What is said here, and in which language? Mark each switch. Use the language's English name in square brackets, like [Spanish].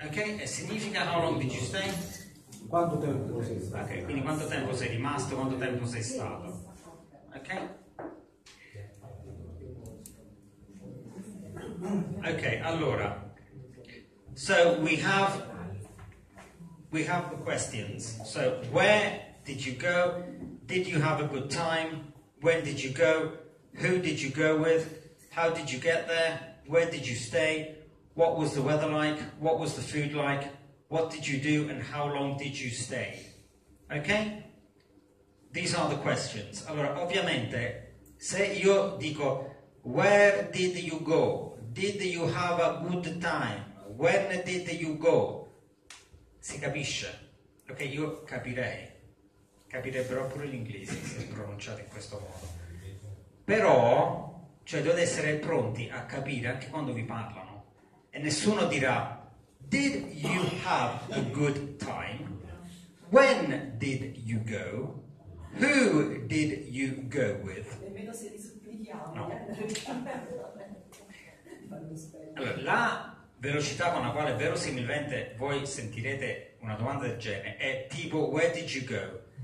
[English] Ok, [Italian] e significa [English] how long did you stay? [Italian] Quanto tempo sei stato? Ok, quindi quanto tempo sei rimasto, quanto tempo sei stato? Ok? [English] Ok, [Italian] allora. [English] So we have the questions. So where did you go? Did you have a good time? When did you go? Who did you go with? How did you get there? Where did you stay? What was the weather like? What was the food like? What did you do and how long did you stay? Okay? These are the questions. [Italian] Allora, ovviamente, se io dico [English] where did you go? Did you have a good time? When did you go? [Italian] Si capisce? Ok, io capirei. Capirebbero pure l'inglese se pronunciate in questo modo. Però, cioè dovete essere pronti a capire anche quando vi parlano. E nessuno dirà, [English] did you have a good time? When did you go? Who did you go with? [Italian] Nemmeno se li supplichiamo. No. Allora, la velocità con la quale verosimilmente voi sentirete una domanda del genere è tipo, [English] where did you go?